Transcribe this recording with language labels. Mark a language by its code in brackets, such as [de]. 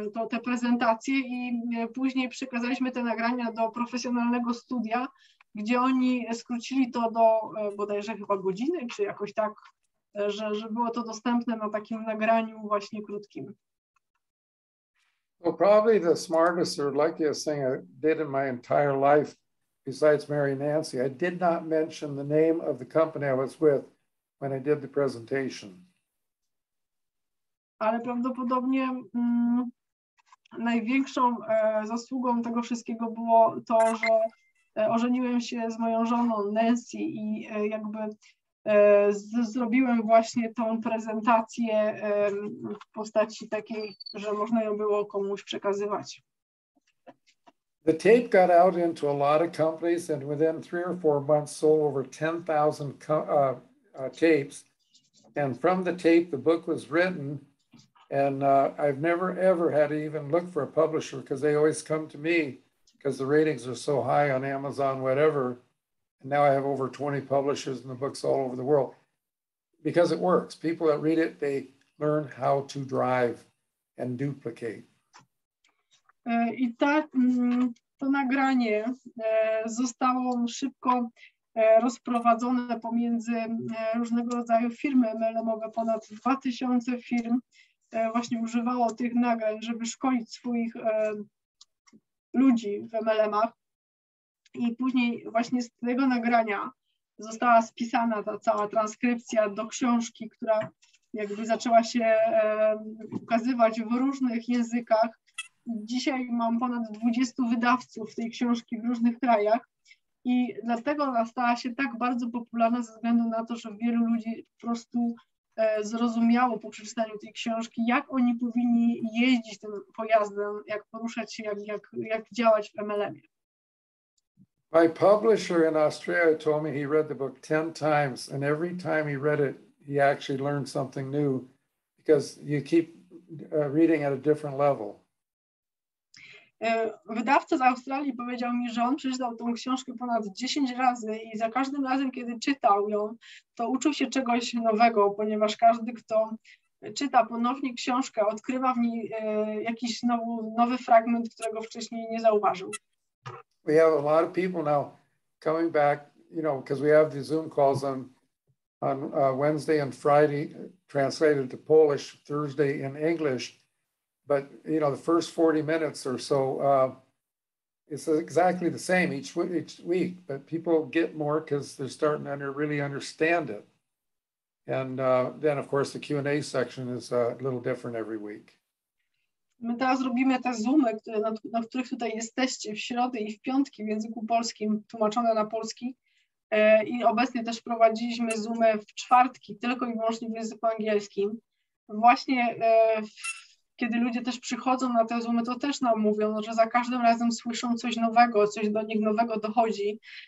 [pl] te prezentacje i później przekazaliśmy te nagrania do profesjonalnego studia, gdzie oni skrócili to do bodajże chyba godziny, czy jakoś tak, że było to dostępne na takim nagraniu właśnie krótkim. [en] Well, probably the smartest or luckiest thing I did in my entire life, besides Mary Nancy, I did not mention the name of the company I was with when I did the presentation. [pl] Ale prawdopodobnie największą zasługą tego wszystkiego było to, że ożeniłem się z moją żoną Nancy i jakby zrobiłem właśnie tą prezentację w postaci takiej, że można ją było komuś przekazywać. [en] The tape got out into a lot of companies and within 3 or 4 months sold over 10,000 tapes. And from the tape, the book was written. And I've never ever had to even look for a publisher because they always come to me because the ratings are so high on Amazon, whatever. And now I have over 20 publishers and the books all over the world. Because it works. People that read it, they learn how to drive and duplicate. [pl] I to nagranie zostało szybko rozprowadzone pomiędzy różnego rodzaju firmy MLM-owe. Ponad 2000 firm właśnie używało tych nagrań, żeby szkolić swoich ludzi w MLM-ach. I później właśnie z tego nagrania została spisana ta cała transkrypcja do książki, która jakby zaczęła się ukazywać w różnych językach. Dzisiaj mam ponad 20 wydawców tej książki w różnych krajach i dlatego ona stała się tak bardzo popularna ze względu na to, że wielu ludzi po prostu zrozumiało po przeczytaniu tej książki, jak oni powinni jeździć tym pojazdem, jak poruszać się, jak działać w MLM-ie. [en] My publisher in Australia told me he read the book 10 times and every time he read it, he actually learned something new because you keep reading at a different level. [pl] Wydawca z Australii powiedział mi, że on przeczytał tą książkę ponad 10 razy i za każdym razem, kiedy czytał ją, to uczył się czegoś nowego, ponieważ każdy, kto czyta ponownie książkę, odkrywa w niej jakiś nowy fragment, którego wcześniej nie zauważył. [en] We have a lot of people now coming back, you know, because we have the Zoom calls on Wednesday and Friday, translated to Polish, Thursday in English. But, you know, the first 40 minutes or so, it's exactly the same each week. But people get more because they're starting to really understand it. And then, of course, the Q&A section is a little different every week. [pl] My teraz robimy te Zoomy, na których tutaj jesteście w środę i w piątki w języku polskim, tłumaczone na polski. I obecnie też prowadziliśmy Zoomy w czwartki, tylko i wyłącznie w języku angielskim. Właśnie kiedy ludzie też przychodzą na te Zoomy, to też nam mówią, że za każdym razem słyszą coś nowego, coś do nich nowego dochodzi.